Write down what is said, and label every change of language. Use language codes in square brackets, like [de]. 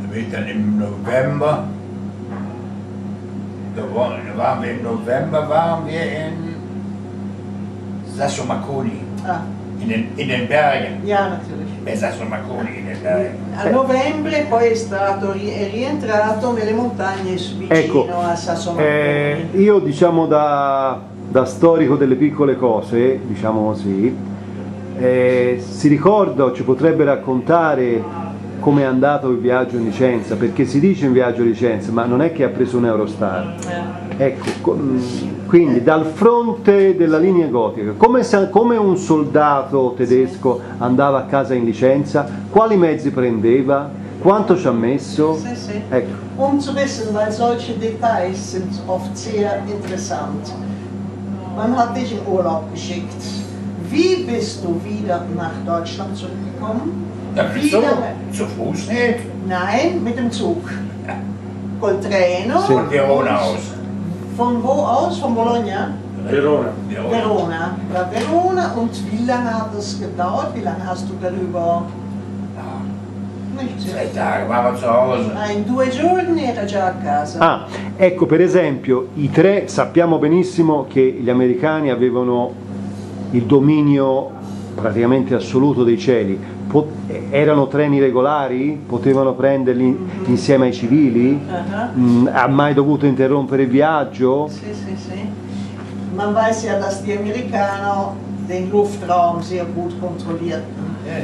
[de] Dann im November, da waren wir im November, waren wir in Sasso Marconi, in den Bergen. Ja, natürlich. Bei Sasso Marconi in den Bergen. [it] A novembre poi è rientrato nelle montagne vicino, ecco, a Sasso Marconi. Io, diciamo, da storico delle piccole cose, diciamo così, si ricorda, ci potrebbe raccontare come è andato il viaggio in licenza, perché si dice in viaggio licenza, ma non è che ha preso un Eurostar. Ecco, quindi dal fronte della linea gotica, come un soldato tedesco andava a casa in licenza, quali mezzi prendeva, quanto ci ha messo? Ecco. [de] Um zu wissen, weil solche Details sind oft sehr interessant. Man hat dich in Urlaub geschickt. Wie bist du wieder nach Deutschland zurückgekommen? Zu Fuß nicht? Nein, mit dem Zug. Ja. [it] Col treno? [de] Von Verona aus. Von wo aus? Von Bologna? Verona. Verona. Verona. Verona. Und wie lange hat das gedauert? Wie lange hast du darüber? Ja. Nichts. Drei Tage waren wir zu Hause. [it] Nein, due giorni era già a casa. Ah, ecco, per esempio, i tre, sappiamo benissimo che gli americani avevano il dominio praticamente assoluto dei cieli. Erano treni regolari? Potevano prenderli insieme ai civili? Ha mai dovuto interrompere il viaggio? Sì. [de] Man weiß ja, dass die Amerikaner den Luftraum sehr gut kontrollierten.